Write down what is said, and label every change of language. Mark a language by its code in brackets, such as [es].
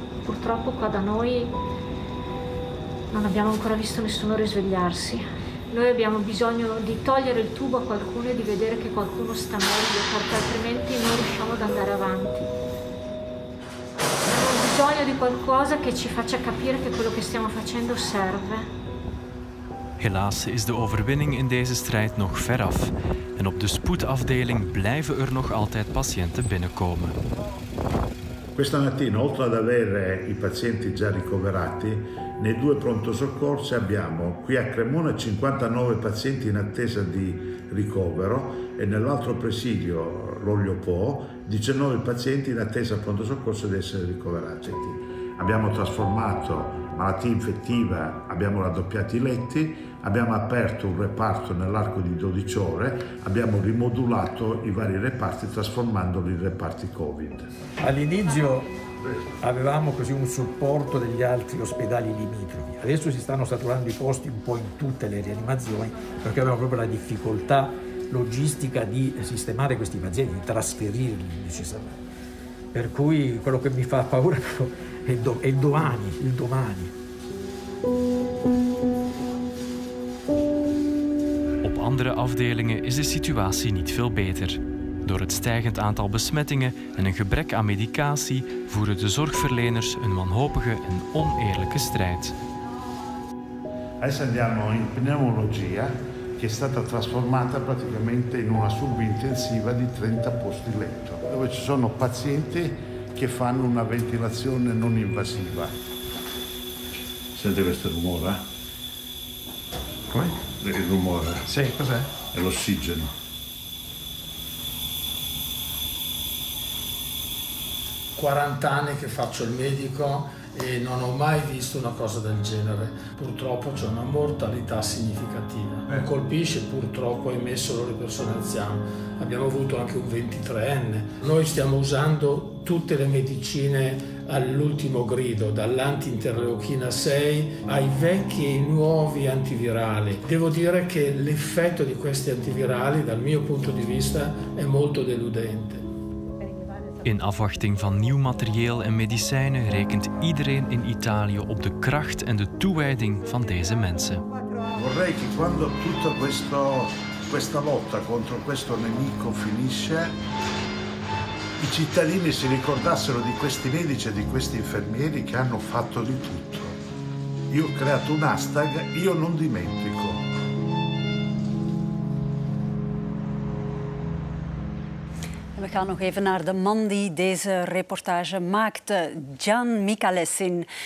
[it] Purtroppo qua da noi non abbiamo ancora visto nessuno risvegliarsi. Noi abbiamo bisogno di togliere il tubo a qualcuno e di vedere che qualcuno sta meglio, perché altrimenti non riusciamo ad andare avanti. Abbiamo bisogno di qualcosa che ci faccia capire che quello che stiamo facendo serve. [nl] Helaas is de overwinning in deze strijd nog ver af. En op de spoedafdeling blijven er nog altijd patiënten binnenkomen. [it] Questa mattina, oltre ad avere i pazienti già ricoverati, nei due pronto soccorsi abbiamo qui a Cremona 59 pazienti in attesa di ricovero e nell'altro presidio, l'Olio Po, 19 pazienti in attesa al pronto soccorso di essere ricoverati. Abbiamo trasformato malattia infettiva, abbiamo raddoppiato i letti, abbiamo aperto un reparto nell'arco di 12 ore, abbiamo rimodulato i vari reparti trasformandoli in reparti Covid. All'inizio avevamo così un supporto degli altri ospedali limitrofi, adesso si stanno saturando i posti un po' in tutte le rianimazioni perché abbiamo proprio la difficoltà logistica di sistemare questi pazienti, di trasferirli necessariamente. Per cui quello che mi fa paura è il domani. [nl] Op andere afdelingen is de situatie niet veel beter. Door het stijgend aantal besmettingen en een gebrek aan medicatie voeren de zorgverleners een wanhopige en oneerlijke strijd. [it] Adesso andiamo in pneumologia, che è stata trasformata praticamente in una subintensiva di 30 posti letto, dove ci sono pazienti che fanno una ventilazione non invasiva. Sente questo rumore? Come? Il rumore. Sì, cos'è? È l'ossigeno. Quarant'anni che faccio il medico e non ho mai visto una cosa del genere. Purtroppo c'è una mortalità significativa. Colpisce, purtroppo, ahimè, solo le persone anziane. Abbiamo avuto anche un 23enne. Noi stiamo usando tutte le medicine all'ultimo grido, dall'antiinterleuchina 6 ai vecchi e nuovi antivirali. Devo dire che l'effetto di questi antivirali, dal mio punto di vista, è molto deludente. [nl] In afwachting van nieuw materieel en medicijnen rekent iedereen in Italië op de kracht en de toewijding van deze mensen. [it] Vorrei che quando tutta questa lotta contro questo nemico finisce, i cittadini si ricordassero di questi medici e di questi infermieri che hanno fatto di tutto. Io ho creato un hashtag, io non dimentico. [nl] We gaan nog even naar de man die deze reportage maakte, Gian Micalessin.